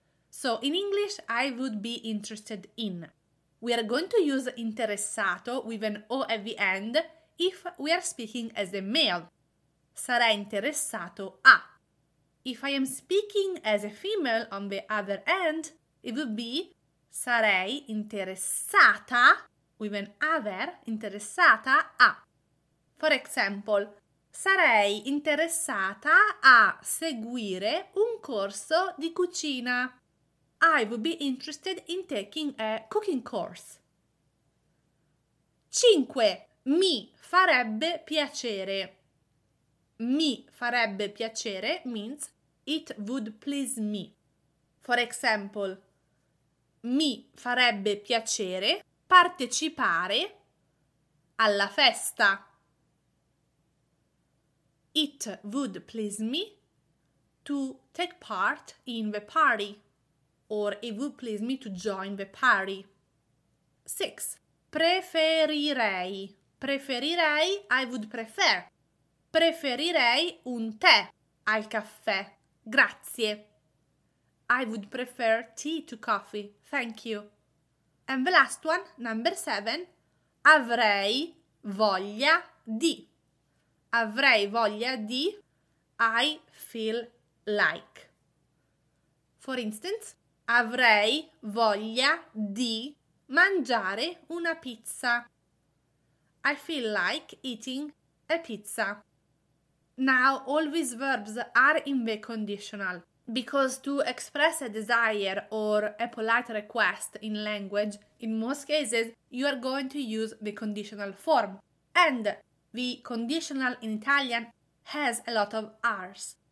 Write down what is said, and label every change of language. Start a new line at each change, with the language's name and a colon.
English: So, in English, I would be interested in. We are going to use interessato with an O at the end if we are speaking as a male.
Italian: Sarei interessato a.
English: If I am speaking as a female on the other end, it would be
Italian: sarei interessata
English: with an other interessata a. For example,
Italian: sarei interessata a seguire un corso di cucina.
English: I would be interested in taking a cooking course.
Italian: 5. Mi farebbe piacere. Mi farebbe piacere
English: means it would please me. For example,
Italian: mi farebbe piacere partecipare alla festa.
English: It would please me to take part in the party. Or it would please me to join the party. 6.
Italian: Preferirei. Preferirei,
English: I would prefer.
Italian: Preferirei un tè al caffè. Grazie.
English: I would prefer tea to coffee. Thank you. And the last one, number 7.
Italian: Avrei voglia di. Avrei voglia di.
English: I feel like. For instance,
Italian: avrei voglia di mangiare una pizza.
English: I feel like eating a pizza. Now, all these verbs are in the conditional, because to express a desire or a polite request in language, in most cases, you are going to use the conditional form. And the conditional in Italian has a lot of R's.